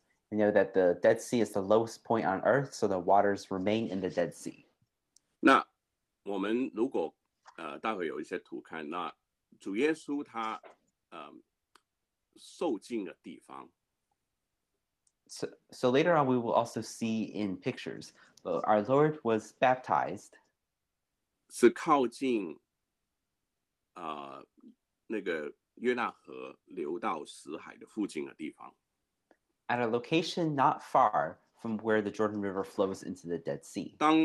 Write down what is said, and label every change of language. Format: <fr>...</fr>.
<en>We know that the Dead Sea is the lowest point on Earth, so the waters remain in the Dead Sea.</en> <zh>那我们如果待会有一些图看，那主耶稣他受浸的地方。</zh> <en>So later on, we will also see in pictures. But our Lord was baptized.</en> <zh>是靠近那个约旦河流到死海的附近的地方。</zh> <en>At a location not far from where the Jordan River flows into the Dead Sea.</en>